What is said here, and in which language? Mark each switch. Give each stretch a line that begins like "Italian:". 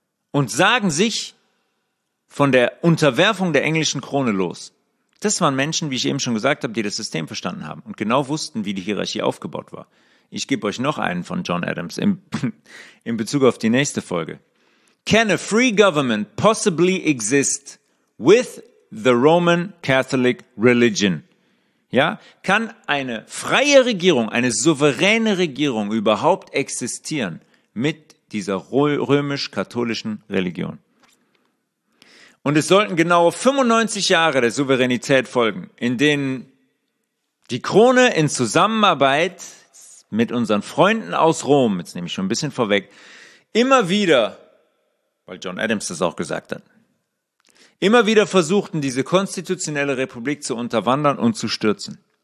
German: Und sagen sich von der Unterwerfung der englischen Krone los. Das waren Menschen, wie ich eben schon gesagt habe, die das System verstanden haben und genau wussten, wie die Hierarchie aufgebaut war. Ich gebe euch noch einen von John Adams in Bezug auf die nächste Folge.
English: Can a free government possibly exist with the Roman Catholic religion?
German: Ja, kann eine freie Regierung, eine souveräne Regierung überhaupt existieren mit dieser römisch-katholischen Religion? Und es sollten genau 95 Jahre der Souveränität folgen, in denen die Krone in Zusammenarbeit mit unseren Freunden aus Rom, jetzt nehme ich schon ein bisschen vorweg, immer wieder, weil John Adams das auch gesagt hat, immer wieder versuchten, diese konstitutionelle Republik zu unterwandern und zu stürzen.